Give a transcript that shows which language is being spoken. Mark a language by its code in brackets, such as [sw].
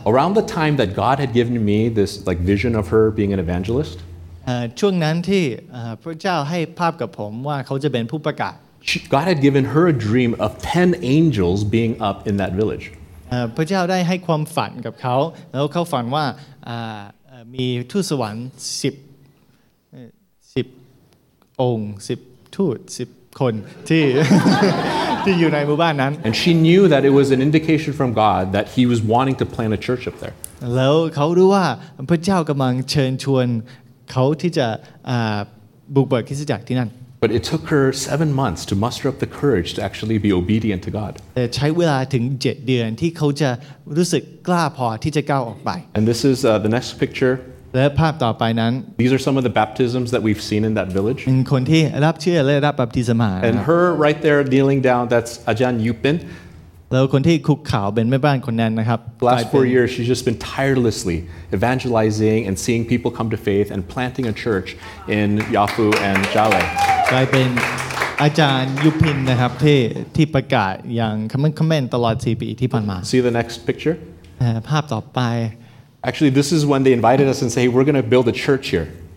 [en] around the time that God had given me this like vision of her being an evangelist, [th] ช่วงนั้นที่พระเจ้าให้ภาพกับผมว่าเขาจะเป็นผู้ประกาศ [en] God had given her a dream of 10 angels being up in that village. [th] พระเจ้าได้ให้ความฝันกับเขาแล้วเขาฝันว่ามีทูตสวรรค์10 องค์ 10 ทูต 10 คนที่อยู่ในหมู่บ้านนั้น [en] And she knew that it was an indication from God that he was wanting to plant a church up there. [th] แล้วเขารู้ว่าพระเจ้ากำลังเชิญชวนเขาที่จะบุกเบิกคริสตจักรที่นั่น [en] But it took her 7 months to muster up the courage to actually be obedient to God. [th] แต่ใช้เวลาถึง7 เดือนที่เขาจะรู้สึกกล้าพอที่จะก้าวออกไป [en] And this is the next picture. [th] และภาพต่อไปนั้น [en] These are some of the baptisms that we've seen in that village. [th] คนที่รับเชื่อและรับบัพติศมา [en] And her right there kneeling down, that's Ajahn Yupin. [th] แล้วคนที่คุกเข่าเป็นแม่บ้านคนนั้นนะครับ [en] Last 4 years, she's just been tirelessly evangelizing and seeing people come to faith and planting a church in Yafu and Jale. [th] กลายเป็นอาจารย์ยุพินนะครับที่ประกาศอย่างคอมเมนต์ตลอด4 ปีที่ผ่านมา [en] See the next picture. [th] ภาพต่อไป [en] Actually, this is when they invited us and say, hey, we're going to build a church here.